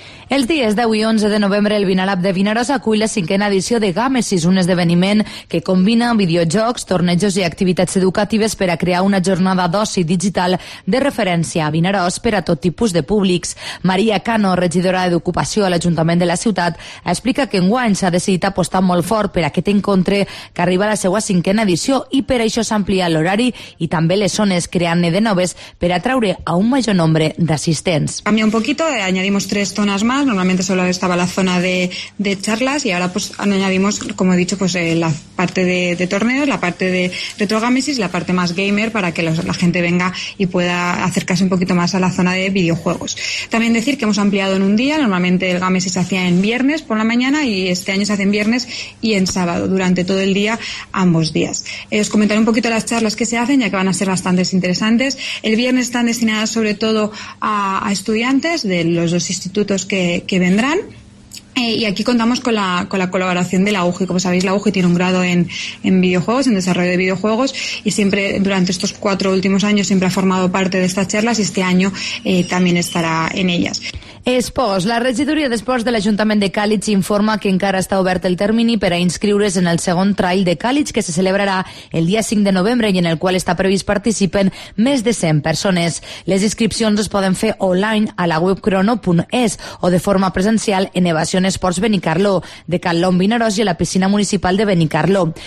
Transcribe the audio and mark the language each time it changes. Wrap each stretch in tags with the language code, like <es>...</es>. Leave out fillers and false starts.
<ca>Els dies 10 i 11 de novembre el Vinalab de Vinaròs acull la cinquena edició de Gàmesis, un esdeveniment que combina videojocs, tornejos i activitats educatives per a crear una jornada d'oci digital de referència a Vinaròs per a tot tipus de públics. Maria Cano, regidora d'Ocupació a l'Ajuntament de la ciutat, explica que enguany s'ha decidit apostar molt fort per a aquest encontre que arriba a la seva cinquena edició i per això s'amplia l'horari i també les zones creant-ne de noves per atraure a un major nombre d'assistents.</ca> <es>Cambia un poquito, añadimos tres zones más, normalmente solo estaba la zona de charlas y ahora pues añadimos, como he dicho, pues la parte de torneos, la parte de retrogamesis, la parte más gamer para que la gente venga y pueda acercarse un poquito más a la zona de videojuegos. También decir que hemos ampliado en un día, normalmente el gamesis se hacía en viernes por la mañana y este año se hace en viernes y en sábado, durante todo el día, ambos días. Os comentaré un poquito las charlas que se hacen, ya que van a ser bastante interesantes. El viernes están destinadas sobre todo a estudiantes de los dos institutos que vendrán. Y aquí contamos con la colaboración de la UGI. Como sabéis, la UGI tiene un grado en videojuegos, en desarrollo de videojuegos, y siempre durante estos cuatro últimos años siempre ha formado parte de estas charlas y este año también estará en ellas.</es> <ca>Esports. La regidoria d'Esports de l'Ajuntament de Càlig informa que encara està obert el termini per a inscriure's en el segon trail de Càlig que se celebrarà el dia 5 de novembre i en el qual està previst participen més de 100 persones. Les inscripcions es poden fer online a la web crono.es o de forma presencial en Evasión Esports Benicarló de Cal Lom Vinaròs i a la piscina municipal de Benicarló.</ca>